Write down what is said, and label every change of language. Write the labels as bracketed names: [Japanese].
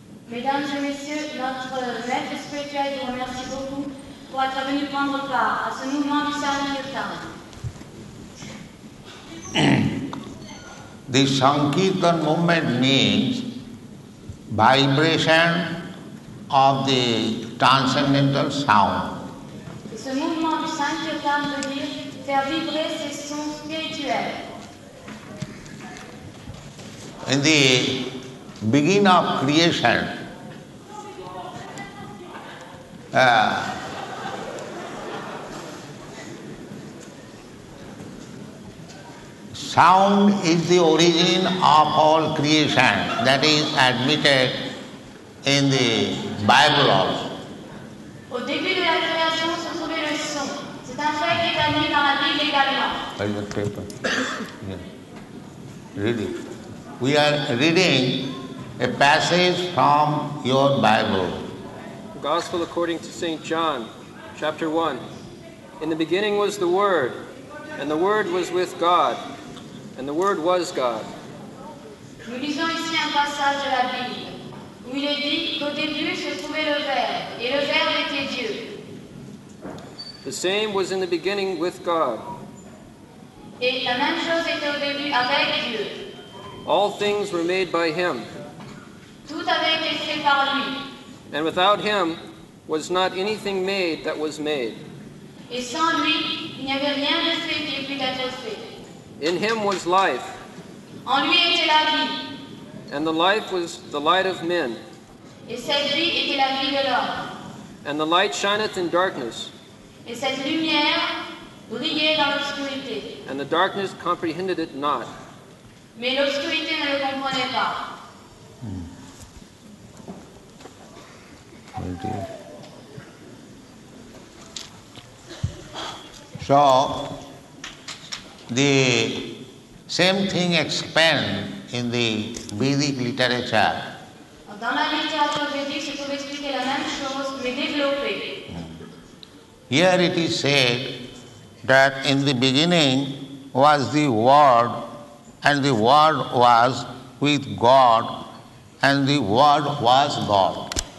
[French] Mesdames et messieurs, notre maître spirituel vous remercie beaucoup pour être venu prendre part à ce mouvement du Sankirtan. [English] This Sankirtan movement means vibration of the transcendental sound. [French] Ce mouvement du Sankirtan veut dire faire vibrer ces sons spirituels. [English] In the beginning of creation, sound is the origin of all creation, that is admitted in the Bible also. [French] Au début de la création se trouvait le son. C'est un fait qui est admis dans la Bible également. [English] Read the paper. Yeah. Read it. We are reading a passage from your Bible. Gospel according to St. John, chapter 1. In the beginning was the Word, and the Word was with God. And the Word was God. [French] Nous lisons ici un passage de la Bible où il est dit qu'au début se trouvait le Verbe, et le Verbe était Dieu. [English] The same was in the beginning with God. [French] Et la même chose était au début avec Dieu. [English] All things were made by him. [French] Tout avait été fait par lui. [English] And without him was not anything made that was made. [French] Et sans lui, il n'y avait rien de fait qui puisse être fait. [English] In him was life. [French] En lui était la vie. [English] And the life was the light of men. [French] Et cette vie était la vie de l'homme. [English] And the light shineth in darkness. [French] Et cette lumière brillait dans l'obscurité. [English] And the darkness comprehended it not. [French] Mais l'obscurité ne le comprenait pas. [English] Oh dear. So, the same thing expands in the Vedic literature. [French] Dans la littérature védique, je peux expliquer la même chose, mais développée. [English] Here it is said that in the beginning was the Word, and the Word was with God, and the Word was God.